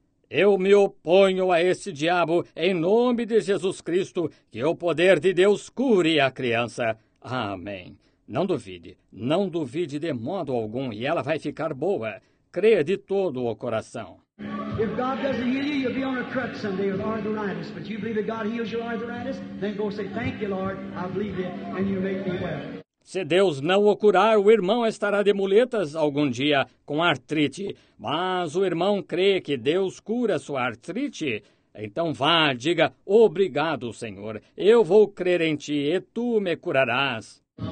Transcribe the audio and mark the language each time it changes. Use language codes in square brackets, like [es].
[pt] Eu me oponho a esse diabo, em nome de Jesus Cristo, que o poder de Deus cure a criança. Amém. Não duvide, não duvide de modo algum, e ela vai ficar boa. Creia de todo o coração. [en] If God doesn't heal you, you'll be on a crutch someday with arthritis. But you believe that God heals your arthritis? Then go say, thank you, Lord, I believe it, and you make me well. [pt] Se Deus não o curar, o irmão estará de muletas algum dia, com artrite. Mas o irmão crê que Deus cura sua artrite? Então vá, diga: obrigado, Senhor. Eu vou crer em ti e tu me curarás.